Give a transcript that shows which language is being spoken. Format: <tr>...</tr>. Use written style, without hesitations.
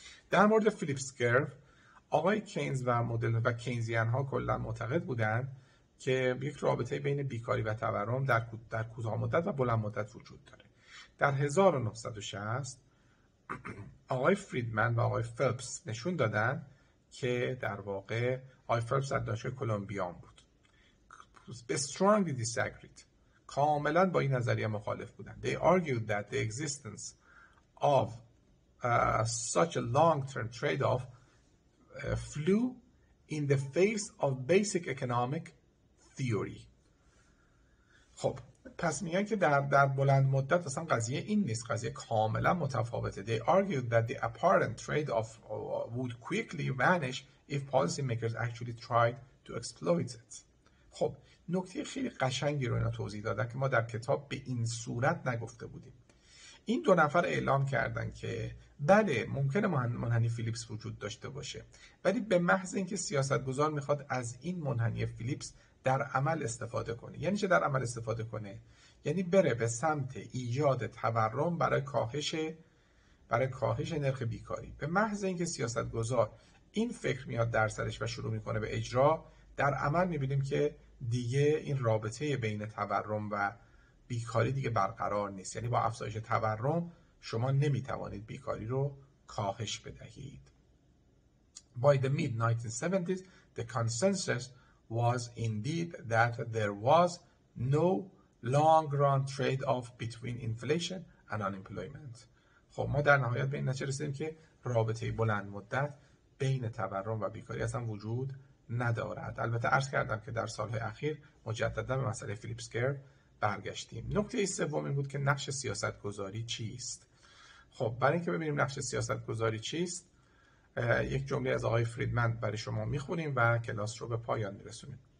<fa>در مورد فیلیپس کرو، آقای کینز و مدل و کینزیان ها کلا معتقد بودند که یک رابطه بین بیکاری و تورم در کوتاه مدت و بلند مدت وجود داره. در 1960 آقای فریدمن و آقای فلپس نشون دادن که در واقع آقای فلپس در دانشگاه کلمبیا بود، به</fa> <en>strongly disagreed،</en> <fa>کاملا با این نظریه مخالف بودن.</fa> <en>They argued that the existence of such a long-term trade-off flew in the face of basic economic theory.</en> <fa>خب پس میگن که در بلند مدت اصلا قضیه این نیست، قضیه کاملا متفاوته.</fa> <en>They argued that the apparent trade-off would quickly vanish if policy makers actually tried to exploit it.</en> <fa>خب نکته خیلی قشنگی رو اینا توضیح دادن که ما در کتاب به این صورت نگفته بودیم. این دو نفر اعلام کردن که بله ممکنه منحنی فیلیپس وجود داشته باشه، ولی به محض اینکه سیاستگزار میخواد از این منحنی فیلیپس در عمل استفاده کنه. یعنی چه در عمل استفاده کنه؟ یعنی بره به سمت ایجاد تورم برای کاهش نرخ بیکاری. به محض اینکه سیاستگزار این فکر میاد در سرش و شروع میکنه به اجرا، در عمل میبینیم که دیگه این رابطه بین تورم و بیکاری دیگه برقرار نیست. یعنی با افزایش تورم شما نمیتوانید بیکاری رو کاهش بدهید.</fa> <en>By the mid-1970s the consensus was indeed that there was no long-run trade-off between inflation and unemployment.</en> <fa>خب ما در نهایت به این نتیجه رسیدیم که رابطه بلند مدت بین تورم و بیکاری اصلا وجود ندارد. البته عرض کردم که در سالهای اخیر مجددا به مسئله فیلیپس کرو برگشتیم. نکته ای سوم این بود که نقش سیاست‌گذاری چیست. خب برای اینکه ببینیم نقش سیاست‌گذاری چیست، یک جمله از آقای فریدمن برای شما می‌خونیم و کلاس رو به پایان می‌رسونیم.</fa>